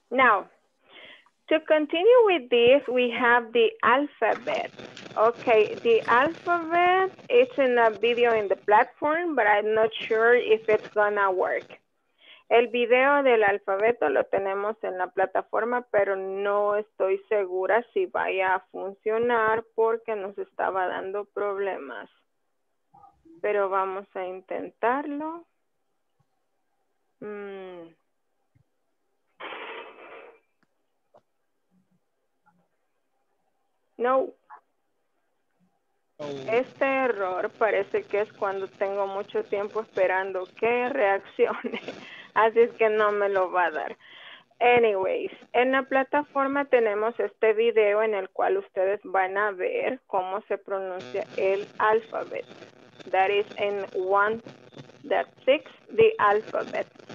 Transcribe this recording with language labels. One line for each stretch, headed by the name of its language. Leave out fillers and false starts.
English: Now, to continue with this, we have the alphabet. Okay, the alphabet, it's in a video in the platform, but I'm not sure if it's gonna work.
Spanish: El video del alfabeto lo tenemos en la plataforma, pero no estoy segura si vaya a funcionar porque nos estaba dando problemas. Pero vamos a intentarlo. No. Este error parece que es cuando tengo mucho tiempo esperando que reaccione. Así es que no me lo va a dar. Anyways, en la plataforma tenemos este video en el cual ustedes van a ver cómo se pronuncia el alphabet.
English: That is in one, that six, the alphabet.